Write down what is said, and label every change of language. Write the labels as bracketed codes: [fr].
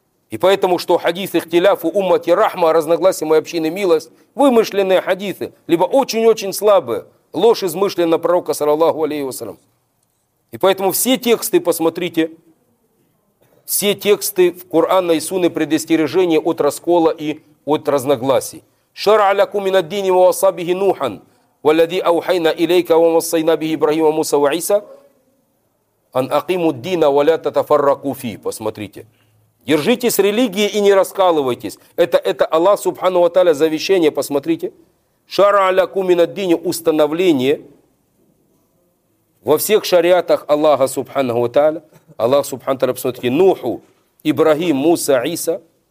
[ru] И поэтому, что хадисы ихтиляфу уммати рахма, разногласия моей общины милость, вымышленные хадисы, либо очень-очень слабые, ложь измышлена пророка, саллаллаху алейхи ва саллям. И поэтому все тексты, посмотрите, все тексты в Корана и Сунны предостережения от раскола и от разногласий. [ar] شرع لكم من الدين ووصى به نوحا والذي اوحينا اليك ووصينا به ابراهيم وموسى وعيسى ان اقيموا الدين ولا تتفرقوا فيه. [ru] Посмотрите. Держитесь религии и не раскалывайтесь. Это Аллах Субхану ва Тааля завещание, посмотрите. [ar] شرع لكم من الدين [ru] установление во всех шариатах Аллаха Субхану ва Тааля. Аллах Субхану ва Тааля, посмотрите, Нуху, Ибрахим, Муса, Иса.